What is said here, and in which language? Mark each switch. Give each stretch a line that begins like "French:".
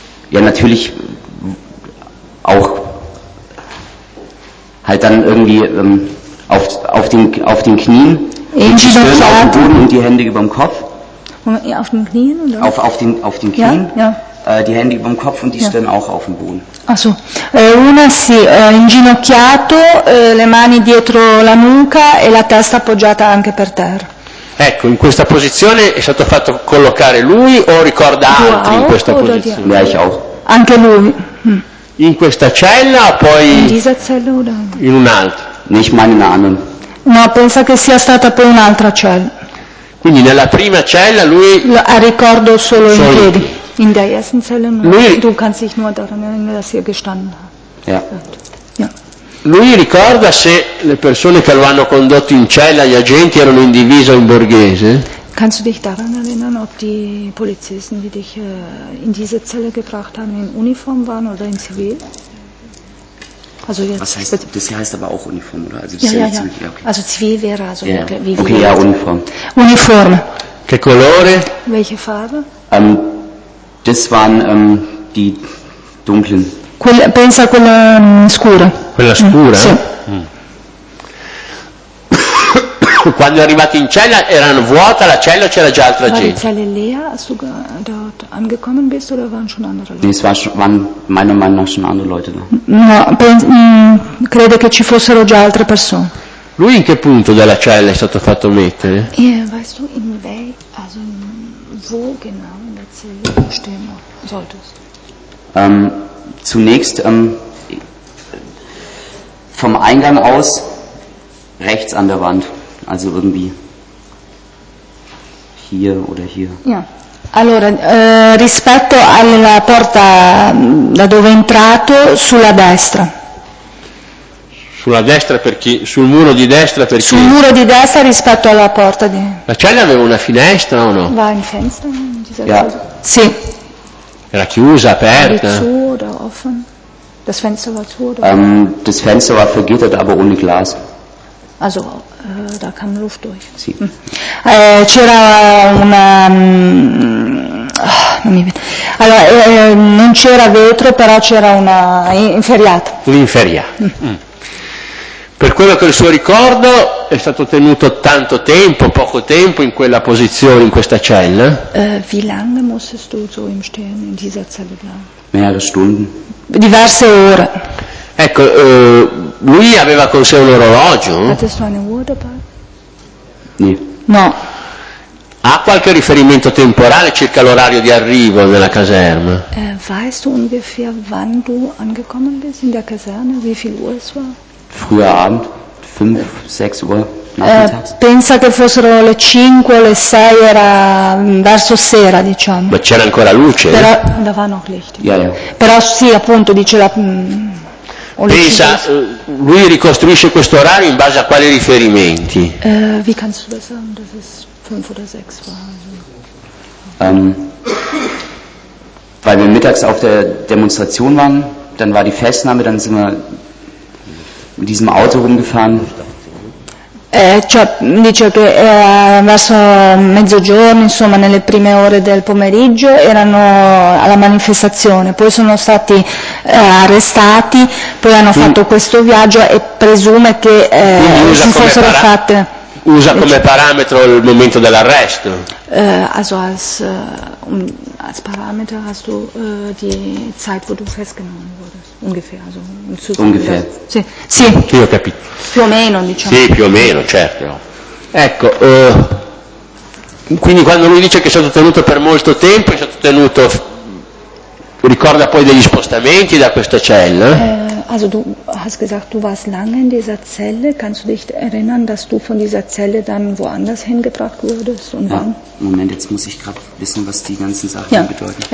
German: Ja, natürlich auch halt dann irgendwie auf den Knien, die Stirn auf dem Boden und die Hände über dem Kopf. Auf den Knien? Oder? Auf den Knien. Ja, ja. Die Hände über dem Kopf und die Stirn auch auf dem Boden. Ach so.
Italian: Una sì, inginocchiato, le mani dietro la nuca e la testa appoggiata anche per terra. Ecco, in questa posizione è stato fatto collocare lui o ricorda altri auch, in questa posizione?
German: Ja, ich auch.
Italian: Anche lui. In questa cella o poi in un'altra?
German: Nicht meine Namen.
Italian: No, pensa che sia stata poi un'altra cella. Quindi nella prima cella lui... Ha ricordo solo in piedi.
German: In der ersten Zelle nur.
Italian: Lui,
German: du kannst dich nur daran erinnern, dass er gestanden hat. Ja. Ja.
Italian: Lui ricorda se le persone che lo hanno condotto in cella, gli agenti, erano in divisa o in borghese?
German: Kannst du dich daran erinnern, ob die Polizisten, die dich in diese Zelle gebracht haben, in Uniform waren oder in Zivil? Also jetzt. Was heißt, das hier heißt aber auch Uniform, oder? Also, ja, ja, ja. Ziemlich, ja, okay. Also Zivil wäre also ja. Wie okay, wir ja, Uniform. Uniform.
Italian: Che colore?
German: Welche Farbe? Das waren die dunklen.
Italian: Pensa a quella scura. Quella scura? Sì. Quando è arrivato in cella erano vuota la cella o c'era già altra gente? War die Zelle leer, als du dort angekommen bist, oder waren schon andere Leute?
German: Nee, es waren meiner Meinung nach schon andere Leute da.
Italian: No, crede che ci fossero già altre persone. Lui in che punto della cella è stato fatto mettere?
German: Weißt du, in welch, also wo genau in der Zelle stehen solltest? Zunächst vom Eingang aus rechts an der Wand. Also irgendwie hier oder hier. Ja.
Italian: Allora, rispetto alla porta da dove è entrato, sulla destra. Sulla destra per chi? Sul muro di destra per chi? Sul muro di destra rispetto alla porta di... La cella aveva una finestra o no? Va in finestra?
German: Ja.
Italian: Sì. Era chiusa, aperta?
German: Era zu oder offen? Das Fenster war zu oder? Das Fenster war vergittert, aber ohne Glas. Also, da kam Luft durch.
Italian: Sì. C'era una... Allora, non c'era vetro, però c'era una inferriata. L'inferriata. Per quello che il suo ricordo è stato tenuto tanto tempo, poco tempo in quella posizione, in questa cella?
German: Wie lange musstest du so im Stehen in dieser Zelle bleiben? Mehrere Stunden.
Italian: Diverse ore. Ecco, lui aveva con sé un orologio?
German: Hattest du eine Uhr dabei? Nee.
Italian: No. Ha qualche riferimento temporale circa l'orario di arrivo nella caserma?
German: Weißt du ungefähr wann du angekommen bist in der Kaserne? Wie viel Uhr es war? Früher Abend, 5, 6 Uhr nachmittags.
Italian: Pensa che fossero le 5, le 6, era verso sera, diciamo. Ma c'era ancora luce? Però, eh?
German: Da war noch Licht. Ja, ja.
Italian: Però sì, appunto, dice la... Pensa, lui ricostruisce questo orario in base a quali riferimenti?
German: Wie kannst du das sagen, dass es 5 oder 6 war? Weil wir mittags auf der Demonstration waren, dann war die Festnahme, dann sind wir... mit diesem Auto rumgefahren.
Italian: Cioè, dice che verso mezzogiorno, insomma, nelle prime ore del pomeriggio erano alla manifestazione, poi sono stati arrestati, poi hanno fatto questo viaggio e presume che si fossero fatte. Usa come parametro il momento dell'arresto?
German: Also als Parameter hast du die Zeit, wo du festgenommen wurdest, ungefähr. Also ungefähr.
Italian: Sì, sì. Sì, ho capito. Più o meno, diciamo. Sì, più o meno, certo. Ecco, quindi quando lui dice che è stato tenuto per molto tempo, è stato tenuto Ricorda poi degli spostamenti da questa cella?
German: Also du hast gesagt, du warst lange in dieser Zelle. Kannst du dich erinnern, dass du von dieser Zelle dann woanders hingebracht wurdest? Und ja. Moment, jetzt muss ich gerade wissen, was die ganzen Sachen bedeuten.